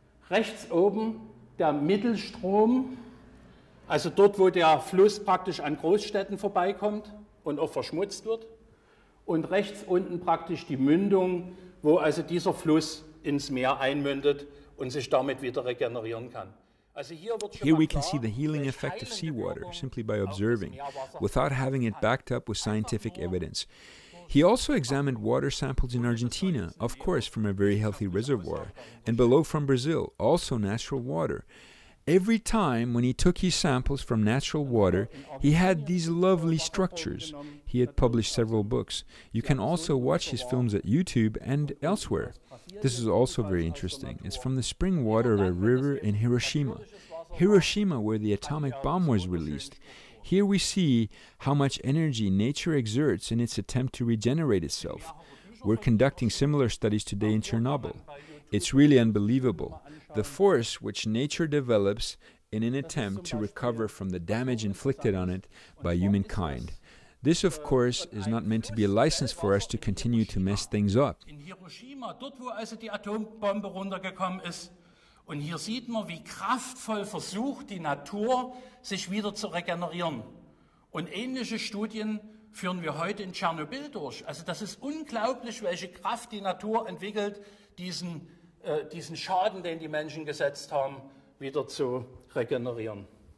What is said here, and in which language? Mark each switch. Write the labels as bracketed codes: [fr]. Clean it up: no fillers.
[de] Rechts oben der Mittelstrom, also dort, wo der Fluss praktisch an Großstädten vorbeikommt und auch verschmutzt wird. Und rechts unten praktisch die Mündung, wo also dieser Fluss ins Meer einmündet und sich damit wieder regenerieren kann. [en] Here we can see the healing effect of seawater simply by observing, without having it backed up with scientific evidence. He also examined water samples in Argentina, of course from a very healthy reservoir, and below from Brazil, also natural water. Every time when he took his samples from natural water, he had these lovely structures. He had published several books. You can also watch his films at YouTube and elsewhere. This is also very interesting. It's from the spring water of a river in Hiroshima. Hiroshima, where the atomic bomb was released. Here we see how much energy nature exerts in its attempt to regenerate itself. We're conducting similar studies today in Chernobyl. It's really unbelievable. The force which nature develops in an attempt to recover from the damage inflicted on it by humankind. This, of course, is not meant to be a license for us to continue to mess things up. [de] In Hiroshima, dort wo also die Atombombe runtergekommen ist, und hier sieht man, wie kraftvoll versucht die Natur, sich wieder zu regenerieren. Und ähnliche Studien führen wir heute in Tschernobyl durch. Also das ist unglaublich, welche Kraft die Natur entwickelt, diesen Schaden, den die Menschen gesetzt haben, wieder zu regenerieren.